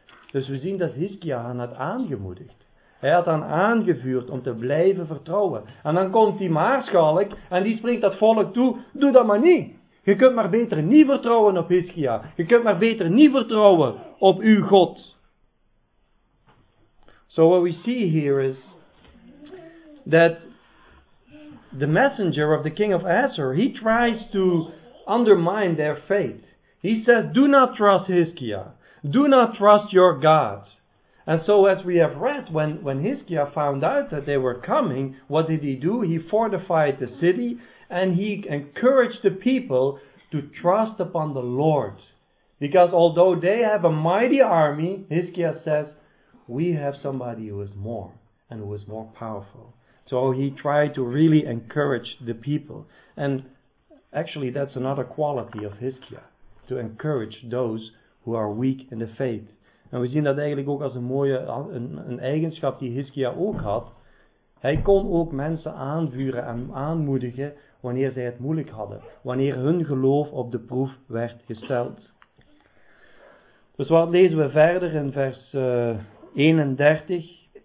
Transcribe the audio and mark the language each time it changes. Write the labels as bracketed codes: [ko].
[nl] Dus we zien dat Hiskia hen had aangemoedigd. Hij had hen aangevuurd om te blijven vertrouwen. En dan komt die maarschalk en die springt dat volk toe. Doe dat maar niet. Je kunt maar beter niet vertrouwen op Hiskia. Je kunt maar beter niet vertrouwen op uw God. [en] So what we see here is that the messenger of the king of Assur, he tries to undermine their faith. He says, do not trust Hiskia. Do not trust your God. And so as we have read, when Hiskia found out that they were coming, what did he do? He fortified the city and he encouraged the people to trust upon the Lord. Because although they have a mighty army, Hiskia says, we have somebody who is more and who is more powerful. So he tried to really encourage the people. And actually that's another quality of Hiskia. To encourage those who are weak in the faith. [nl] En we zien dat eigenlijk ook als een mooie een eigenschap die Hiskia ook had. Hij kon ook mensen aanvuren en aanmoedigen wanneer zij het moeilijk hadden. Wanneer hun geloof op de proef werd gesteld. Dus wat lezen we verder in vers 31.